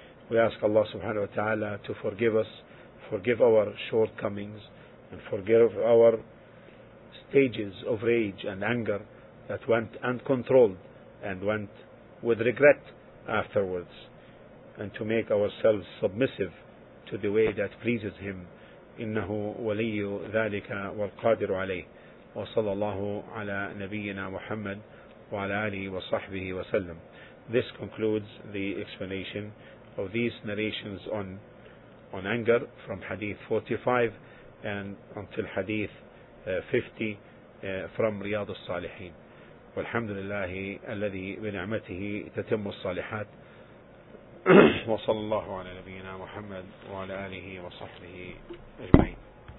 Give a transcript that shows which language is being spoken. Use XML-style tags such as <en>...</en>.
<en>We ask Allah subhanahu wa ta'ala to forgive us, forgive our shortcomings, and forgive our stages of rage and anger that went uncontrolled and went with regret afterwards, and to make ourselves submissive to the way that pleases Him.</en> <ar>إنه ولي ذلك والقادر عليه وصلى الله على نبينا محمد وعلى آله وصحبه وسلم.</ar> <en>This concludes the explanation of these narrations on anger from Hadith 45 and until Hadith 50 from رياض الصالحين.</en> <ar>والحمد لله الذي بنعمته تتم الصالحات وصلى الله على نبينا محمد وعلى آله وصحبه أجمعين.</ar>